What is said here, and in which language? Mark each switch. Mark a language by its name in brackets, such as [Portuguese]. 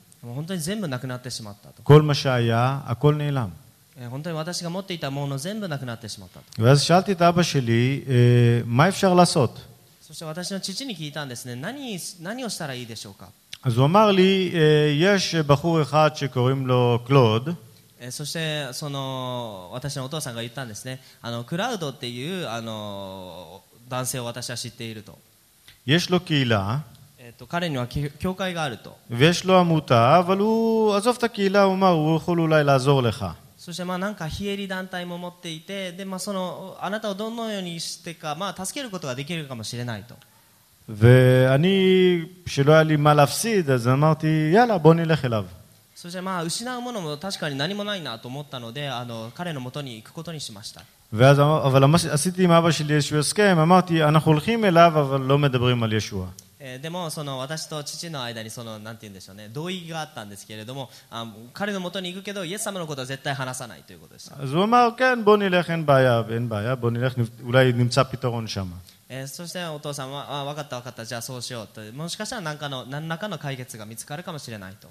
[Japanese] もう本当に全部なくなってしまったと。 [Hebrew] כל מה שהיה, הכל נעלם. [Japanese] 本当に私が持っていたもの全部なくなってしまったと。 [Hebrew] ואז שאלתי את אבא שלי, מה אפשר לעשות? [Japanese] そして私の父に聞いたんですね, 何をしたらいいでしょうか? [Hebrew] אז הוא אמר לי, יש בחור אחד שקוראים לו קלוד. [Japanese] そしてその私のお父さんが言ったんですね, クラウドっていう男性を私は知っていると。 [Hebrew] יש לו קהילה. [Japanese] 彼には教会があると。 [Hebrew] ויש לו עמותה, אבל הוא עזוב את הקהילה, הוא אמר, הוא יכול אולי לעזור לך. [Japanese] そしてまあなんか非営利団体も持っていて、でまあそのあなたをどのようにしてか、まあ助けることができるかもしれないと。 [Hebrew] ואני, שלא היה לי מה להפסיד, אז אמרתי, יאללה, בוא נלך אליו. [Japanese] そしてまあ失うものも確かに何もないなと思ったので、彼の元に行くことにしました。 [Hebrew] ואז אבל עשיתי עם אבא שלי ישוע הסכם, אמרתי, אנחנו הולכים אליו, אבל לא מדברים על ישוע. [Japanese] でもその私と父の間にそのなんて言うんでしょうね同意があったんですけれども彼の元に行くけどイエス様のことは絶対話さないということでしたそしてお父さんはわかったわかったじゃあそうしようともしかしたら何らかの解決が見つかるかもしれないと